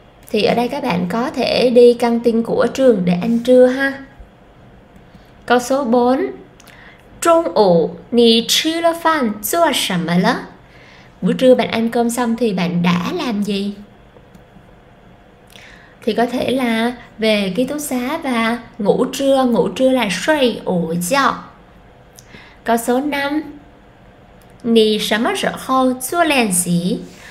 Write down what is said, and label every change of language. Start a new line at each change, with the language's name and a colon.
Vietnamese: Thì ở đây các bạn có thể đi căng tin của trường để ăn trưa ha. Câu số 4.
Chinese: 中午你吃了饭做什么了?
Vietnamese: Buổi trưa bạn ăn cơm xong thì bạn đã làm gì? Thì có thể là về ký túc xá và ngủ trưa. Ngủ trưa là 睡午觉. Câu số 5.
Chinese: 你什么时候做练习?